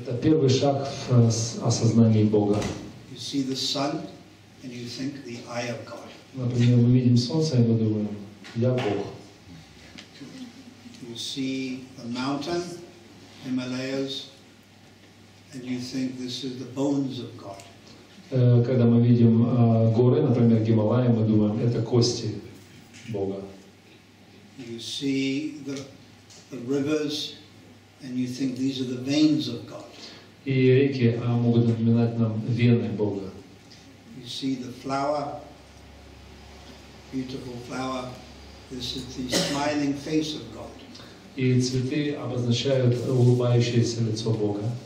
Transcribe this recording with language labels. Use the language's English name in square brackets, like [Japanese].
[Russian] Это первый шаг в осознании Бога. [English] You see the sun and you think the eye of God. [Russian] Например, мы видим солнце, и мы думаем, я Бог. [English] You see a mountain, Himalayas, and you think this is the bones of God. [Russian] Когда мы видим горы, например, Гималаи, мы думаем, это кости Бога. [English] You see the rivers, and you think these are the veins of God. [Russian] И реки могут напоминать нам вены Бога. [English] You see the flower, beautiful flower. This is the smiling face of God. [Russian] И цветы обозначают улыбающееся лицо Бога.